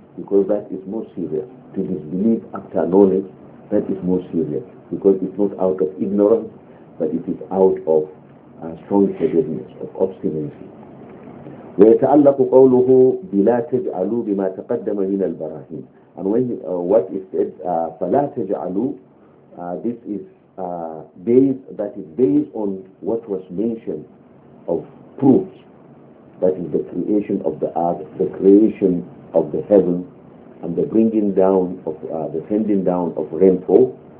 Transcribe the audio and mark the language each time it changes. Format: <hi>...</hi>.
<en>Because that is more serious. To disbelieve after knowledge, that is more serious. Because it's not out of ignorance, but it is out of strong-headedness, of obstinacy.</en> <ar>ويتعلق قوله بلا تجعلوا بما تقدم من البراهين.</ar> <en>And when what is said,</en> <ar>فلا تجعلوا,</ar> <en>this is based, that is based on what was mentioned of proofs, that is the creation of the earth, the creation of the heaven, and the bringing down of the sending down of rainfall.</en>